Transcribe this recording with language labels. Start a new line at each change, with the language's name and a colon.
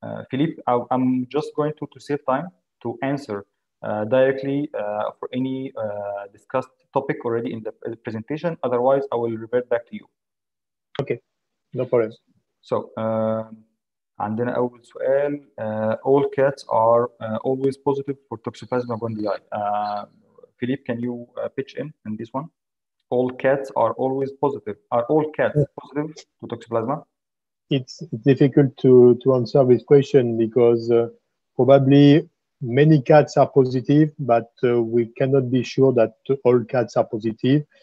English: Philip, I'm just going to save time to answer directly for any discussed topic already in the presentation. Otherwise, I will revert back to you. Okay, no problem.
Arabic: So, عندنا أول سؤال.
English: All cats are always positive for Toxoplasma gondii. Philippe, can you pitch in this one? All cats are always positive. Are all cats positive to Toxoplasma? It's difficult to answer this question because probably many cats are positive, but we cannot be sure that all cats are positive.